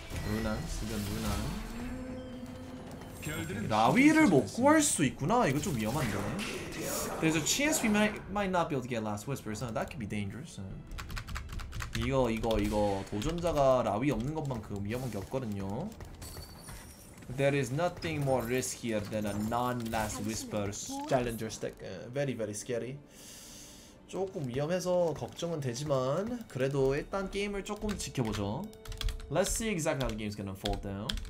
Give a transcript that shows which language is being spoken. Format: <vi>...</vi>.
<ko>루나, 쓰면 루나. 라위를 못 구할 수 있구나. 이거 좀 위험한데.</ko> <en>There's a chance we might not be able to get last whisper. So that could be dangerous.</en> <ko>이거 도전자가 라위 없는 것만큼 위험한 게 없거든요.</ko> <en>There is nothing more riskier than a non-last whisper challenger stack. Very very scary.</en> <ko>조금 위험해서 걱정은 되지만 그래도 일단 게임을 조금 지켜보죠.</ko> <en>Let's see exactly how the game is gonna unfold now.</en>